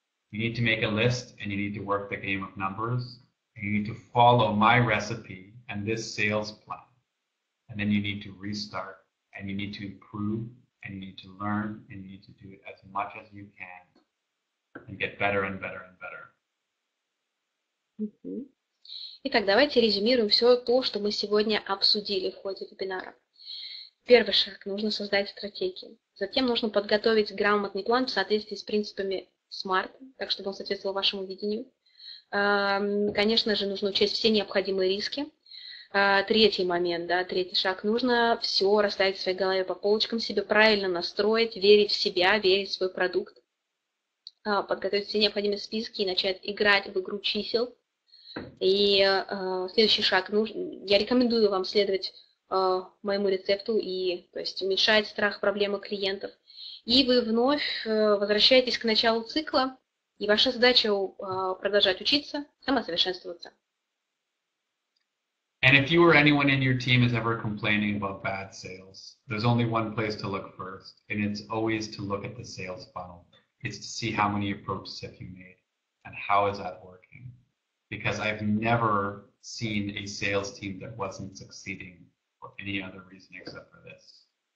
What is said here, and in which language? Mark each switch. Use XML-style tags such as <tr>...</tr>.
<en>You need to make a list, and you need to work the game of numbers, and you need to follow my recipe and this sales plan. And then you need to restart, and you need to improve, and you need to learn, and you need to do it as much as you can and get better and better and better.</en> <ru>Итак, давайте резюмируем все то, что мы сегодня обсудили в ходе вебинара. Первый шаг – нужно создать стратегию. Затем нужно подготовить грамотный план в соответствии с принципами SMART, так чтобы он соответствовал вашему видению. Конечно же, нужно учесть все необходимые риски. Третий момент, да, третий шаг – нужно все расставить в своей голове по полочкам, себе правильно настроить, верить в себя, верить в свой продукт, подготовить все необходимые списки и начать играть в игру чисел. И следующий шаг. Я рекомендую вам следовать моему рецепту, и, то есть уменьшать страх, проблемы клиентов. И вы вновь возвращаетесь к началу цикла, и ваша задача продолжать учиться, самосовершенствоваться.</ru> <en>And if you or anyone in your team is ever complaining about bad sales, there's only one place to look first, and it's always to look at the sales funnel. It's to see how many approaches have you made, and how is that working. Because I've never seen a sales team that wasn't succeeding for any other reason except for this.</en>